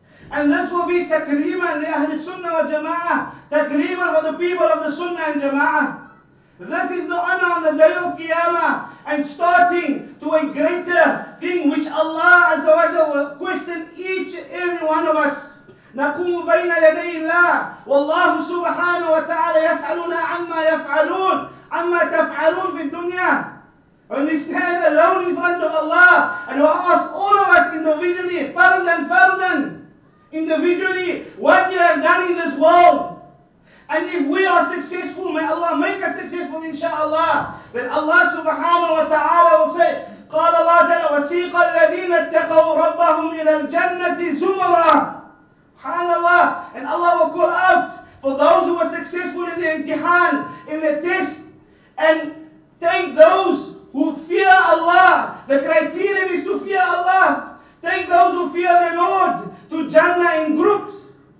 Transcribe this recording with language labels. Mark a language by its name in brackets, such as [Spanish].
[English] And this will be [Arabic] takreeman li ahli sunnah wa jama'ah, [English] takreeman for the people of the sunnah and jama'ah. This is the honor on the day of Qiyamah and starting to a greater thing which Allah Azza wa Jalla will question each and every one of us. [Arabic] نقوم بين يدي الله والله سبحانه وتعالى يسألنا عما يفعلون عما تفعلون في الدنيا. [English] And we stand alone in front of Allah and we ask all of us individually, fardan, individually, what you have done in this world. And if we are successful, may Allah make us successful inshaAllah. Then Allah subhanahu wa ta'ala will say, [Arabic] قال الله تعالى وسيق الذين اتقوا ربهم إلى الجنة زمرا. [English] SubhanAllah. And Allah will call out for those who were successful in the imtihan, in the test, and take those who fear Allah. The criterion is to fear Allah. Take those who fear the Lord to Jannah in groups.